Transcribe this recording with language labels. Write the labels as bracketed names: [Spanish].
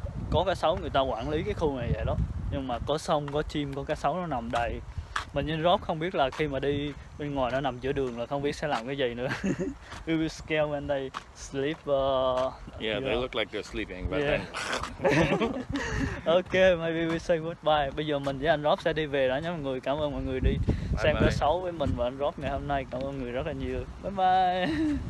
[Vietnamese] Có cá sấu người ta quản lý cái khu này vậy đó. Nhưng mà có sông, có chim, có cá sấu nó nằm đầy. Mình nhìn Rob không biết là khi mà đi bên ngoài nó nằm giữa đường là không biết sẽ làm cái gì nữa. [English] We will scale when they sleep. Yeah, they look like they're sleeping, but then. Okay, maybe we say goodbye. [Vietnamese] Bây giờ mình với anh Rob sẽ đi về đó nha mọi người. Cảm ơn mọi người đi xem cá sấu với mình và anh Rob ngày hôm nay. Cảm ơn mọi người rất là nhiều. Bye bye.